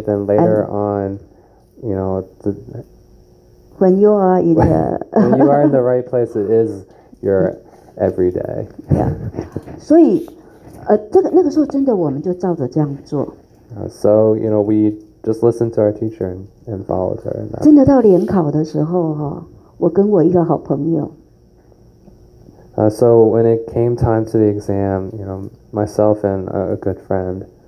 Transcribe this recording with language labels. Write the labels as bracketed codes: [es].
[en] then later on, you know, the, when you are in the when you are in the right place, it is your every day. [zh] Yeah, so, 那个时候真的我们就照着这样做。 [en] So you know, we just listened to our teacher and followed her. [zh] 真的到联考的时候哈。我跟我一个好朋友 [en] So when it came time to the exam, you know, myself and a good friend,